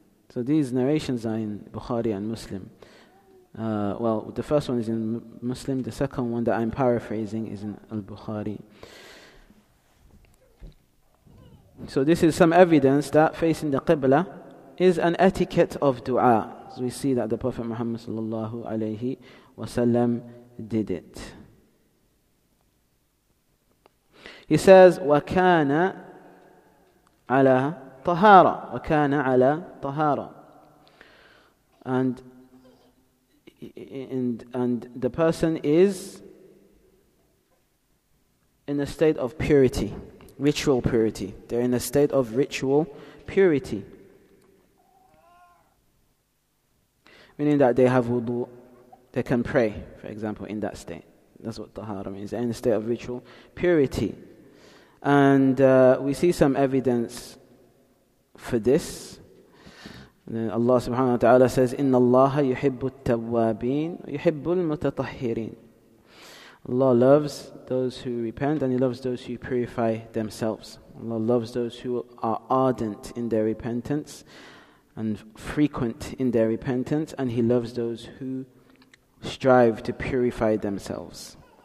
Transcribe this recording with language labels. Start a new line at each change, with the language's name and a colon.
English: So these narrations are in Bukhari and Muslim. Well, the first one is in Muslim, the second one that I'm paraphrasing is in Al-Bukhari. So this is some evidence that facing the Qibla is an etiquette of dua. So we see that the Prophet Muhammad sallallahu alayhi wasallam did it. He says,
Arabic: وَكَانَ عَلَى طَهَارَ وَكَانَ عَلَى طَهَارَ.
English: And the person is in a state of purity, ritual purity. They're in a state of ritual purity, meaning that they have wudu, they can pray, for example, in that state. That's what tahara means. They're in a state of ritual purity. And we see some evidence for this. Allah subhanahu wa ta'ala says,
Arabic: إِنَّ اللَّهَ يُحِبُّ التَّوَّابِينَ وَيُحِبُّ الْمُتَطَحِّرِينَ.
English: Allah loves those who repent and He loves those who purify themselves. Allah loves those who are ardent in their repentance and frequent in their repentance, and He loves those who strive to purify themselves.